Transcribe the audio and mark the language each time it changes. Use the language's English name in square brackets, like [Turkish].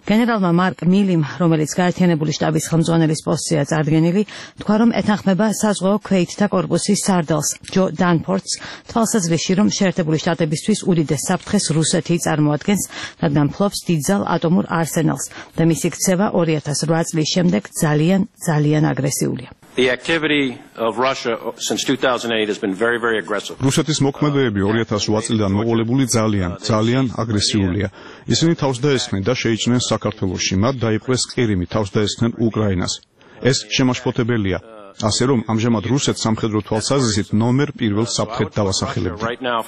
[Georgian] გენერალმა მარკ მილიმ, რომელიც გაერთიანებული შტაბის ხელმძღვანელის პოსტზეა წარდგენილი, თქვა, რომ ეთანხმება საზღვაო ქვეითთა კორპუსის სარდალს ჯო დანფორდს თვალსაზრისში, რომ შეერთებული შტატებისთვის უდიდეს საფრთხეს რუსეთი წარმოადგენს, რადგან ფლობს დიდძალ ატომურ არსენალს და მისი ქცევა 2008 წლის შემდეგ ძალიან აგრესიულია. [English] The activity of Russia since 2008 has been very very aggressive. [Georgian] რუსეთის მოქმედებები 2008 წლიდან მოყოლებული ძალიან აგრესიულია. ისინი თავს დაესხნენ და შეიჭრნენ საქართველოში, მათ დაიპყრეს ყირიმი, თავს დაესხნენ უკრაინას. ეს შემაშფოთებელია. ასე რომ ამჟამად რუსეთ სამხედრო თვალსაზრისით ნომერ პირველ საფრთხედ